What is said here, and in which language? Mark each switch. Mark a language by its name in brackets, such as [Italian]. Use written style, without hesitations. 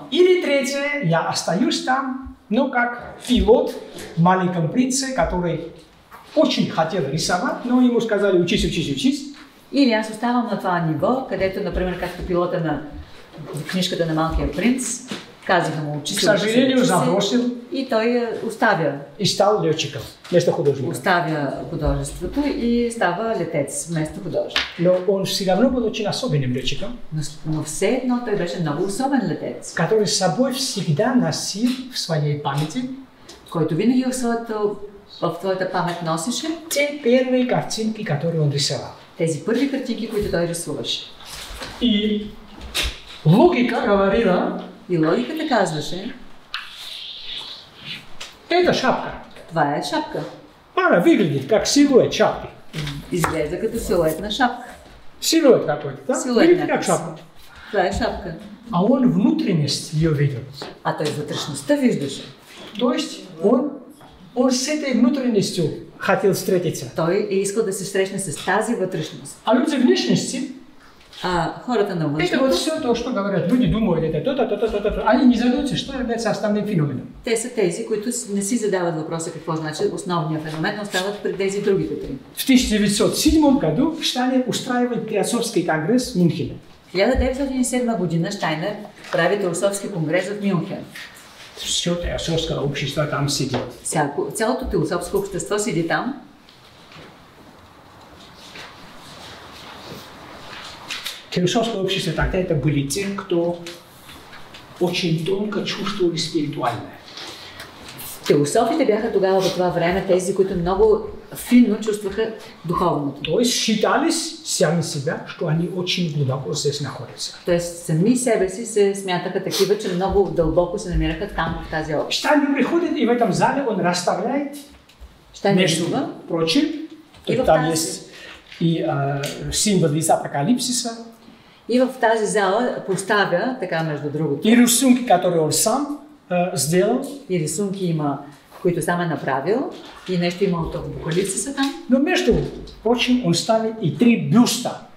[Russian] Или третье, я остаюсь там. Но как Филот в «Маленьком принце», который очень хотел рисовать, но ему сказали учись. [Bulgarian] Или аз оставам на това ниво, където, например, както пилота на книжката на «Маленькия принц», казаха му учись. К съжалению, забросил. И той оставя. [Russian] И стал летчиком, вместо художника. [Bulgarian] Оставя художеството и става летец вместо художника. [Russian] Но он всегда равно был очень особенным летчиком. [Bulgarian] Но все едно той беше много особен летец. [Russian] Который с собой всегда носил в своей памяти. [Bulgarian] Който винаги в твоята памет носеше. [Russian] Те первые картинки, которые он рисовал. [Bulgarian] Тези първи картинки, които той рисуваше. [Russian] И логика говорила. [Bulgarian] И логиката казваше. Ето шапка. Това е шапка. [Russian] Она выглядит как силуэт шапки. [Bulgarian] Изглежда като силуэт на шапка. [Russian] Силуэт какой-то, да? [Bulgarian] Силуэт на шапка. Това е шапка. [Russian] А он внутренность ее видел. [Bulgarian] А той вътрешността виждаше. [Russian] Тоест он с этой внутренностью хотел встретиться. [Bulgarian] Той е искал да се срещне с тази вътрешност. [Russian] А люди внешности. [Bulgarian] А хората на външни. [Russian] Это вот все то, что говорят. Люди думают, это то-то. Они не задаются, что является основным феноменом. [Bulgarian] Те са тези, които не си задават въпроса какво значи основния феномен, но остават при тези другите три. [Russian] В 1907 году Штайнер устраивает теософский конгресс в Мюнхене. [Bulgarian] 1907 година Штайнер прави теософски конгрес в Мюнхен. [Russian] Все теософское общество там сидит. [Bulgarian] Цялото теософско общество сиди там. [Russian] Философское общество тогда это были те, кто очень тонко чувствовали спиритуальное. [Bulgarian] Философите бяха тогава в това време тези, които много финно чувстваха духовното. [Russian] То есть считались сами себя, что они очень глубоко здесь находятся. [Bulgarian] То есть сами себе си се смятаха такива, че много дълбоко се намираха там, в тази общество. [Russian] Штайнер приходит и в этом зале он расставляет между прочим. [Bulgarian] И в тази. [Russian] И символ из апокалипсиса. [Bulgarian] И в тази зала поставя, така между другото. [Russian] И рисунки, которые он сам сделал. [Bulgarian] И рисунки има, които сам е направил. И нещо има от апокалипсиса там. [Russian] Но между прочим он ставит и три бюста.